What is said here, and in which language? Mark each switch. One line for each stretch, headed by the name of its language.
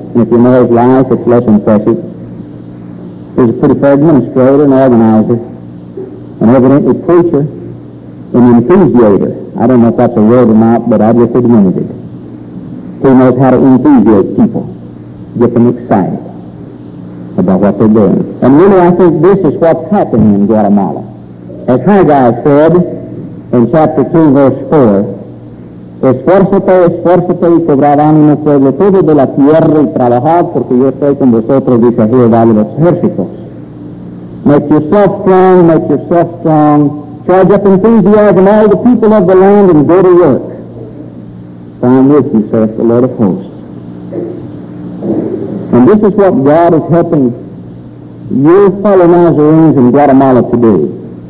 English: If you know his life, it's less impressive. He's a pretty fair administrator and organizer, and evidently preacher, an enthusiator. I don't know if that's a word or not, but I've just admitted it. He knows how to enthusiate people, get them excited about what they're doing. And really, I think this is what's happening in Guatemala. As Haggai said in chapter 2, verse 4,
Spanish: esfuérzate, esfuérzate, y cobrad ánimo pueblo todo de la tierra y trabajad, porque yo estoy con vosotros, dice Jehová de los ejércitos.
English: Make yourself strong, make yourself strong. Charge up enthusiasm all the people of the land and go to work. For I'm with you, says the Lord of hosts. And this is what God is helping your fellow Nazarenes in Guatemala to do.